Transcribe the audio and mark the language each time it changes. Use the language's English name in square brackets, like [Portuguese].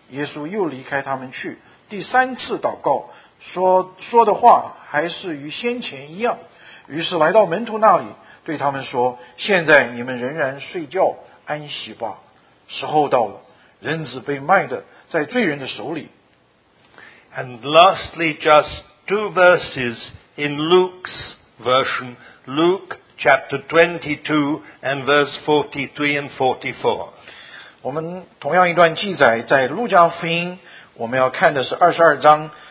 [Chinese] 你们不能同我警醒片时吗？总要警醒祷告，免得入了迷惑。你们心里固然愿意，肉体却软弱了。第二次又去祷告说：我父啊，这杯若能离开我，必要我喝，就愿你的旨意成就。后来见他们睡着了，因为他们的眼睛困倦，耶稣又离开他们去。第三次祷告， 说的话还是与先前一样，于是来到门徒那里，对他们说：“现在你们仍然睡觉，安息吧。时候到了，人子被卖的在罪人的手里。” [English] And lastly, just two verses in Luke's version, Luke chapter 22 and verse 43 and 44. [Chinese] 我们同样一段记载在路加福音，我们要看的是22章。